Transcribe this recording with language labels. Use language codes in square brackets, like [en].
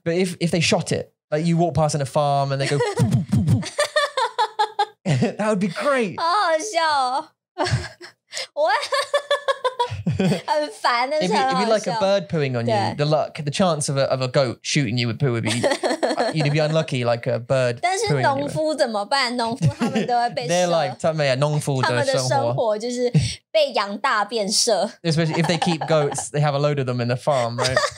[en] But if they shot it, like you walk past in a farm and they go, that would be great. Oh, show. What? It'd be like a bird pooing on you. The luck, the chance of a goat shooting you with poo would be, you'd be unlucky, like a bird. They're like, [zh] 他们的生活就是被羊大便射. [en] Especially if they keep goats, they have a load of them in the farm, right?